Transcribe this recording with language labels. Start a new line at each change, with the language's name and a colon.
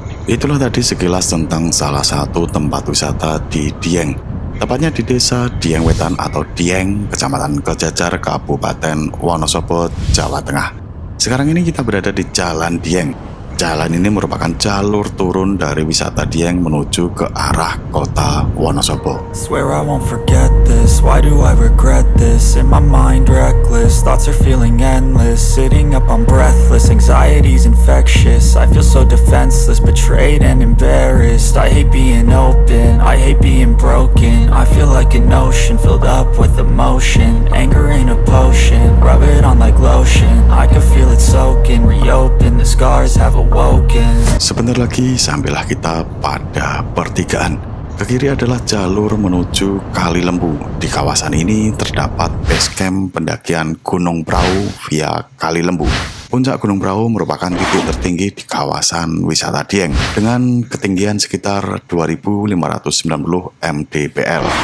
Indonesian: Itulah tadi sekilas tentang salah satu tempat wisata di Dieng. Tepatnya di desa Dieng Wetan atau Dieng, Kecamatan Kejajar, Kabupaten Wonosobo, Jawa Tengah. Sekarang ini kita berada di Jalan Dieng. Jalan ini merupakan jalur turun dari wisata Dieng menuju ke arah kota Wonosobo.
English: Swear I won't forget this, why do I regret this? In my mind reckless, thoughts are feeling endless. Sitting up I'm breathless, anxiety's infectious. I feel so defenseless, betrayed and embarrassed. I hate being open, I hate being broken. I feel like an ocean filled up with emotion. Anger ain't a potion, rub it on like lotion. I can feel it soaking, reopen, the scars have.
Indonesian: Sebentar lagi sampailah kita pada pertigaan. Ke kiri adalah jalur menuju Kali Lembu. Di kawasan ini terdapat base camp pendakian Gunung Brau via Kali Lembu. Puncak Gunung Brau merupakan titik tertinggi di kawasan wisata Dieng dengan ketinggian sekitar 2590 mdpl.